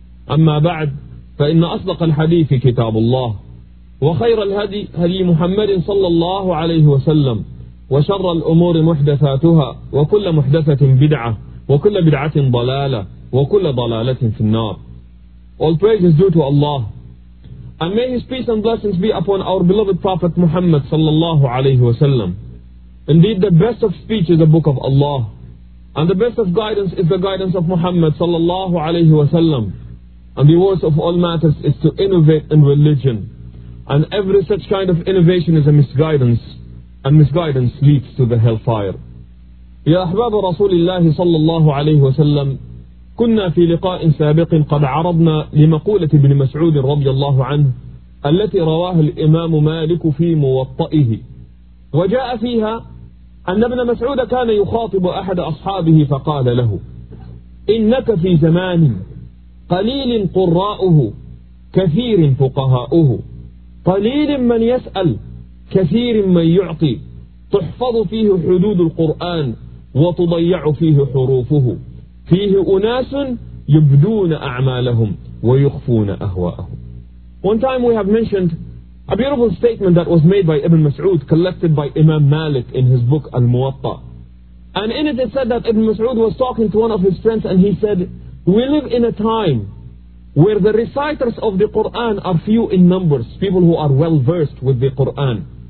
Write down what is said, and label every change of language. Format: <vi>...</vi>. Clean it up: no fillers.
<ar>أما بعد، فإن أصدق الحديث كتاب الله، وخير الهدي هدي محمد صلى الله عليه وسلم، وشر الأمور محدثاتها، وكل محدثة بدعة، وكل بدعة ضلالة، وكل ضلالة في النار.</ar> <en>All praise is due to Allah, and may His peace and blessings be upon our beloved Prophet Muhammad sallallahu alayhi wa sallam. Indeed, the best of speech is a book of Allah, and the best of guidance is the guidance of Muhammad sallallahu alayhi wa sallam. And the worst of all matters is to innovate in religion, and every such kind of innovation is a misguidance, and misguidance leads to the hellfire.</en> <ar>يا أحباب رسول الله صلى الله عليه وسلم، كنا في لقاء سابق قد عرضنا لمقولة ابن مسعود رضي الله عنه التي رواه الإمام مالك في موطئه، وجاء فيها أن ابن مسعود كان يخاطب أحد أصحابه فقال له: إنك في زمان قليل قراؤه، كثير فقهاؤه، قليل من يسأل، كثير من يعطي، تحفظ فيه حدود القرآن وتضيع فيه حروفه، فيه أناس يبدون أعمالهم ويخفون أهواءهم.</ar> <en>One time we have mentioned a beautiful statement that was made by Ibn Mas'ud, collected by Imam Malik in his book Al-Muwatta. And in it it said that Ibn Mas'ud was talking to one of his friends and he said, we live in a time where the reciters of the Qur'an are few in numbers, people who are well versed with the Qur'an.</en>